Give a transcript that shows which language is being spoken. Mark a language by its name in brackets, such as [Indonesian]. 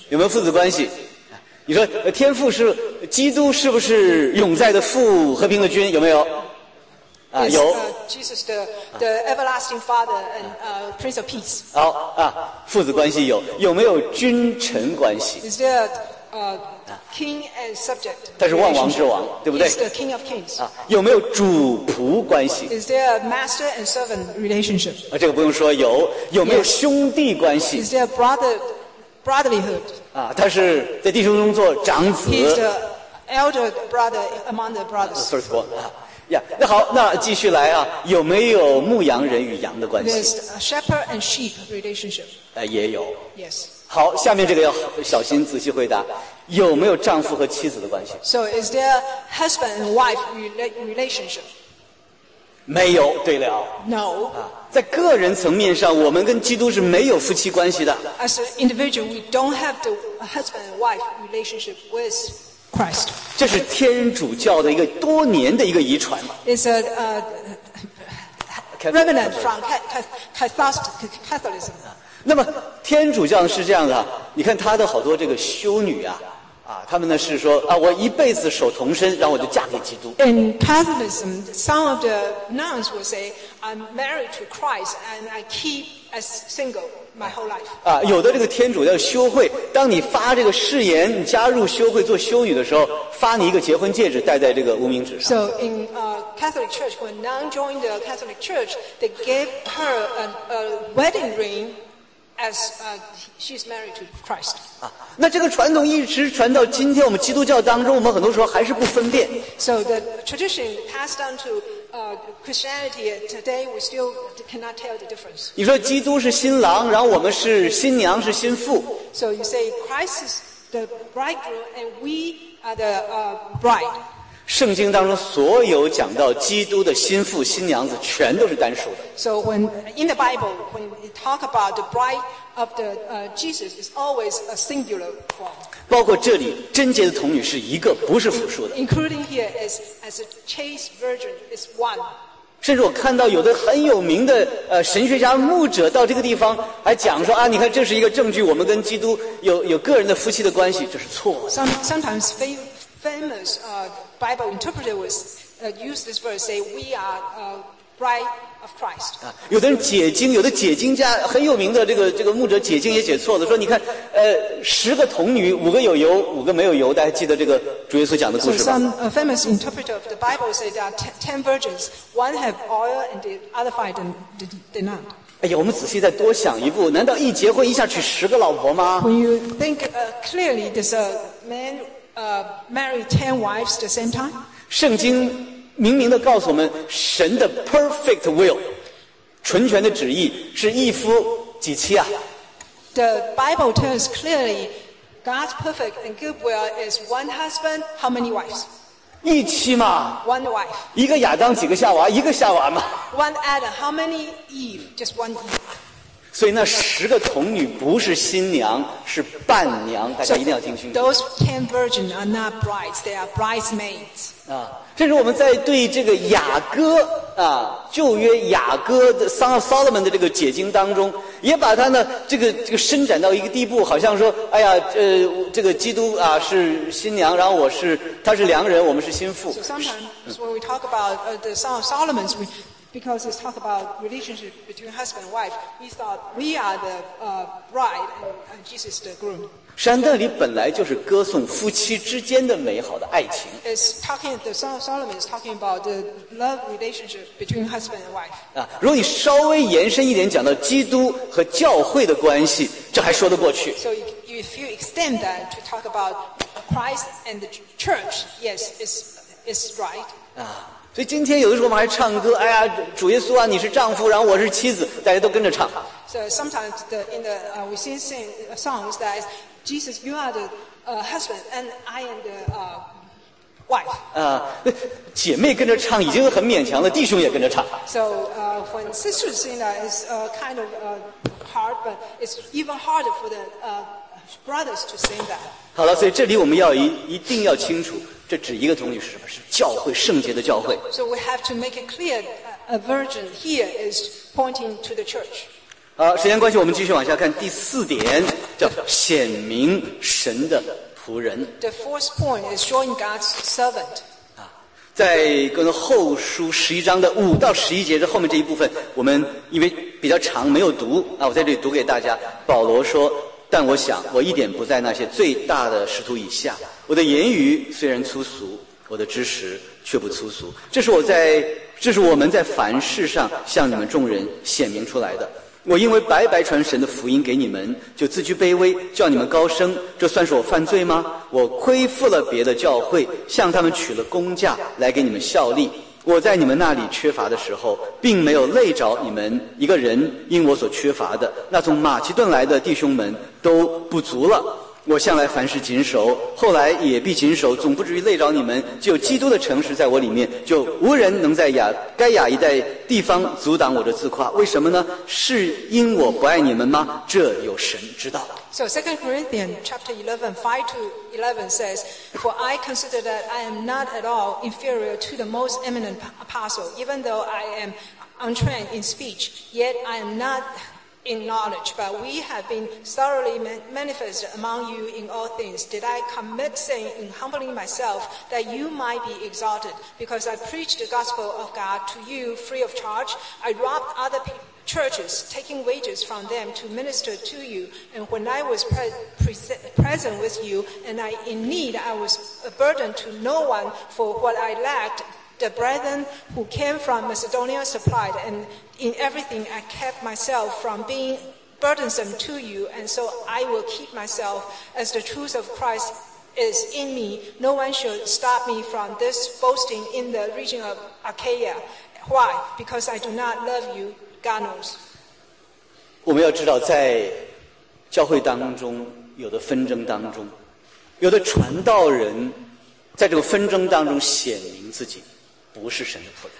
[Chinese] 有没有父子关系？你说天父是基督，是不是永在的父，和平的君？有没有？有 [English] Jesus the everlasting father and prince of peace. [Chinese] 好啊，父子关系有，有没有君臣关系 [English] ？Is there a king and subject? [Chinese] 他是万王之王，对不对 [English] ？Is the king of kings. [Chinese] 啊，有没有主仆关系 [English] ？Is there a master and servant relationship? [Chinese] 啊，这个不用说，有。有没有兄弟关系 [English] ？Is there brotherhood? [Chinese] 啊，他是在弟兄中做长子。 [English] He's the elder brother among the brothers. First one. [Chinese] 那好，那继续来啊，有没有牧羊人与羊的关系 [English] ？There's a shepherd and sheep relationship. [Chinese] 也有。 [English] Yes. [Chinese] 好，下面这个要小心仔细回答，有没有丈夫和妻子的关系 [English] ？So is there husband and wife relationship? [Chinese] 没有，对了。 [English] No. [Chinese] 在个人层面上，我们跟基督是没有夫妻关系的。 [English] As an individual, we don't have the husband and wife relationship with. Christ. [Chinese] 这是天主教的一个多年的一个遗传。 [English] It's a remnant from Catholicism. [Chinese] 那么天主教是这样的，你看他的好多这个修女啊，他们呢是说啊，我一辈子守童身，然后我就嫁给基督。 [English] In Catholicism, some of the nuns will say, "I'm married to Christ and I keep as single my whole life." [Chinese] 啊，有的这个天主教修会，当你发这个誓言，你加入修会做修女的时候，发你一个结婚戒指戴在这个无名指上。 [English] So in Catholic Church, when nun joined the Catholic Church, they gave her a wedding ring. As she's married to Christ. [Chinese] 那这个传统一直传到今天，我们基督教当中，我们很多时候还是不分辨。 [English] So the tradition passed down to Christianity today, we still cannot tell the difference. [Chinese] 你说基督是新郎，然后我们是新娘，是新妇。 [English] So you say Christ is the bridegroom and we are the bride. [Chinese] 圣经当中所有讲到基督的新妇、新娘子，全都是单数的。 [English] So when in the Bible, when we talk about the bride of the Jesus, it's always a singular form. [Chinese] 包括这里贞洁的童女是一个，不是复数的。 [English] Including here is as a chaste virgin is one. [Chinese] 甚至我看到有的很有名的神学家牧者到这个地方还讲说啊，你看这是一个证据，我们跟基督有个人的夫妻的关系，这是错的。 [English] Sometimes famous Bible interpreters use this verse say we are bride of Christ. 啊， [Chinese] 有的人解经，有的解经家很有名的这个牧者解经也解错了，说你看。十个童女，五个有油，五个没有油。大家记得这个主耶稣讲的故事吗 [English] ？Some famous interpreter of the Bible say there are ten virgins. One have oil, and the other five did not. [Chinese] 哎呀，我们仔细再多想一步，难道一结婚一下娶十个老婆吗 [English] ？When you think clearly, does a man marry ten wives at the same time? [Chinese] 圣经明明的告诉我们，神的 [English] perfect will, [Chinese] 纯全的旨意是一夫几妻啊。 [English] The Bible tells clearly God's perfect and good will is one husband, how many wives? [Chinese] 一妻嘛 [English] One wife. [Chinese] 一个亚当几个夏娃一个夏娃嘛 [English] One Adam, how many Eve? Just one Eve. [Chinese] 所以那十个童女不是新娘是伴娘大家一定要听清楚 [English] Those ten virgins are not brides, they are bridesmaids. [Chinese] 啊甚至我们在对这个雅歌啊，旧约雅歌的 Song of Solomon 的这个解经当中，也把它呢这个伸展到一个地步，好像说，哎呀，这个基督啊是新娘，然后他是良人，我们是新妇。 [English] So sometimes when we talk about the Song of Solomon, because it's talk about relationship between husband and wife, we thought we are the bride and Jesus the groom. [Chinese] 山德里本来就是歌颂夫妻之间的美好的爱情。 [English] It's talking the Song of Solomon is talking about the love relationship between husband and wife. [Chinese] 啊，如果你稍微延伸一点讲到基督和教会的关系，这还说得过去。 [English] So if you extend that to talk about Christ and the church, yes, it's right. [Chinese] 啊，所以今天有的时候我们还唱歌，哎呀，主耶稣啊，你是丈夫，然后我是妻子，大家都跟着唱。 [English] So sometimes we sing songs that. Jesus, you are the husband, and I am the wife. [Chinese] 姐妹跟着唱已经很勉强了，弟兄也跟着唱。 [English] So when sisters sing that, it's kind of hard, but it's even harder for the brothers to sing that. [Chinese] 好了，所以这里我们要一定要清楚，这只一个童女是什么？是教会圣洁的教会。 [English] So we have to make it clear, a virgin here is pointing to the church. [Chinese] 好，时间关系，我们继续往下看第四点，叫显明神的仆人。 [English] The fourth point is showing God's servant. [Chinese] 啊，在跟后书十一章的五到十一节这后面这一部分，我们因为比较长没有读啊，我在这里读给大家。保罗说：“但我想，我一点不在那些最大的使徒以下。我的言语虽然粗俗，我的知识却不粗俗。这是我们在凡事上向你们众人显明出来的。” 我因为白白传神的福音给你们就自居卑微叫你们高升这算是我犯罪吗我亏负了别的教会向他们取了工价来给你们效力我在你们那里缺乏的时候并没有累着你们一个人因我所缺乏的那从马其顿来的弟兄们都不足了我向来凡事谨守后来也必谨守总不至于累着你们就基督的诚实在我里面就无人能在该亚一带地方阻挡我的自夸为什么呢是因我不爱你们吗这有神知道 [English] So 2 Corinthians chapter 11, 5-11 says, For I consider that I am not at all inferior to the most eminent apostle, even though I am untrained in speech, yet I am notin knowledge, but we have been thoroughly manifested among you in all things. Did I commit sin in humbling myself that you might be exalted? Because I preached the gospel of God to you free of charge. I robbed other churches, taking wages from them to minister to you. And when I was present with you, and I in need, I was a burden to no one for what I lacked. The brethren who came from Macedonia supplied, and in everything I kept myself from being burdensome to you, and so I will keep myself as the truth of Christ is in me. No one should stop me from this boasting in the region of Achaia. Why? Because I do not love you, God knows. [Chinese] 我们要知道，在教会当中，有的纷争当中，有的传道人在这个纷争当中显明自己不是神的仆人。